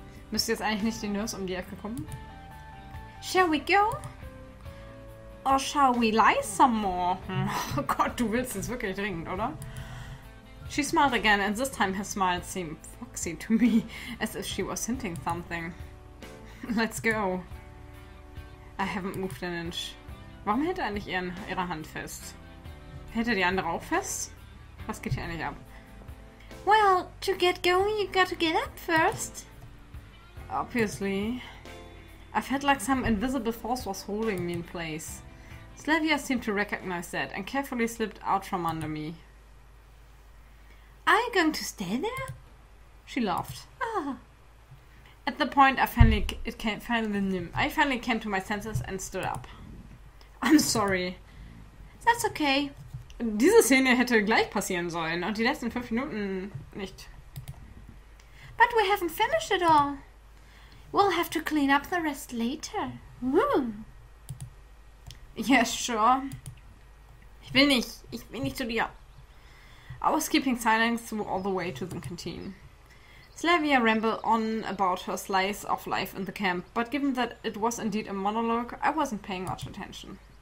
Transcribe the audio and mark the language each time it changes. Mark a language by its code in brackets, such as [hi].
[de] Müsste jetzt eigentlich nicht die Nurse um die Ecke kommen? [en] Shall we go? Or shall we lie some more? [de] Oh Gott, du willst es wirklich dringend, oder? [en] She smiled again, and this time her smile seemed foxy to me, as if she was hinting something. Let's go. I haven't moved an inch. [de] Warum hält er nicht ihre Hand fest? Hätte die andere auch fest? Was geht hier eigentlich ab? [en] Well, to get going, you gotta get up first. Obviously. I felt like some invisible force was holding me in place. Slavya seemed to recognize that and carefully slipped out from under me. Are you going to stay there? She laughed. Ah. At the point I finally came to my senses and stood up. I'm sorry. That's okay. [de] Diese Szene hätte gleich passieren sollen und die letzten 5 Minuten nicht. [en] But we haven't finished it all. We'll have to clean up the rest later. Yes, sure. [de] Ich will nicht zu dir. [en] I was keeping silence through all the way to the canteen. Slavya rambled on about her slice of life in the camp, but given that it was indeed a monologue, I wasn't paying much attention.